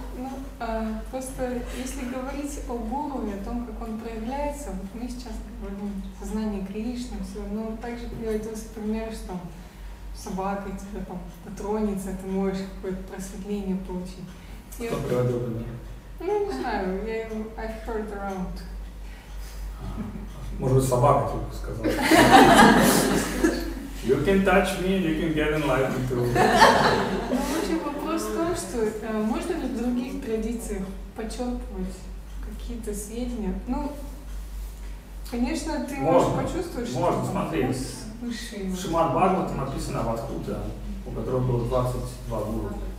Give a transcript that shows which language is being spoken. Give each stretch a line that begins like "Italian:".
Russian: Ну, просто если говорить о гуру и о том, как он проявляется, вот мы сейчас говорим о знании Кришны, все, но также приводился пример, что собака тебя там дотронется, ты можешь какое-то просветление получить. Кто приводил меня? Ну, не знаю, я его...
English: I've heard around.
Russian: Может быть, собака тебе сказала?
English: You can touch me, you can get enlightened too.
Russian: Ну, в общем, вопрос в том, что можно ли в других традициях подчеркивать какие-то сведения? Ну, конечно, ты можешь почувствовать, что... Можно, смотри. Выше. В Шримад-Бхагавате написано Вадхута, у которого было 22 гуру.